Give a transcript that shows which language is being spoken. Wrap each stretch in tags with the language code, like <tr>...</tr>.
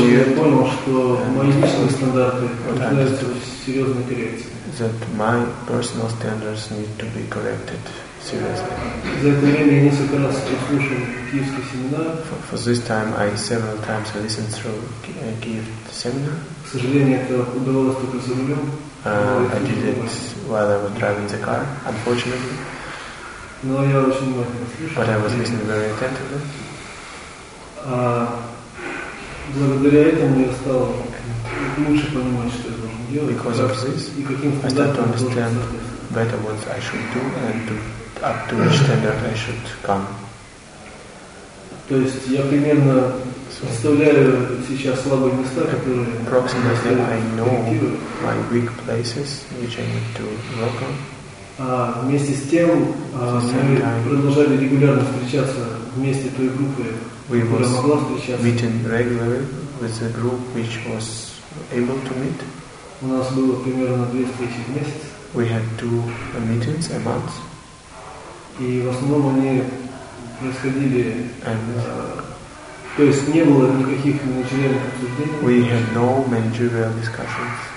<ru>я понял, что мои личные стандарты нуждаются в серьезной коррекции.</ru> <en>That my personal standards need to be corrected seriously.</en> <ru>За это время я несколько раз прослушал киевский семинар.</ru> <en>For this time I several times listened through Kiev seminar.</en> <ru>К сожалению, это удавалось только за рулем.</ru> <en>I did it while I was driving the car, unfortunately.</en> <ru>Но я очень внимательно слышал.</ru> <en>But I was listening very attentively.</en> <ru>Благодаря этому я стал лучше понимать, что я должен делать.</ru> <en>Because of this,</en> <ru>и каким</ru> <en>I started to understand better what I should do and to up to which standard I should come.</en> <ru>То есть я примерно представляю сейчас слабые места, которые.</ru> <en>Approximately, I know my weak places, which I need to work on.</en> <ru>А вместе с тем мы продолжали регулярно встречаться вместе той группой, которая могла встречаться.</ru> <en>Meeting regularly with the group which was able to meet.</en> <ru>У нас было примерно 2 встречи в месяц.</ru> <en>We had 2 meetings a month.</en> <ru>И в основном они происходили, то есть не было никаких межличностных обсуждений.</ru> <en>We had no managerial discussions.</en>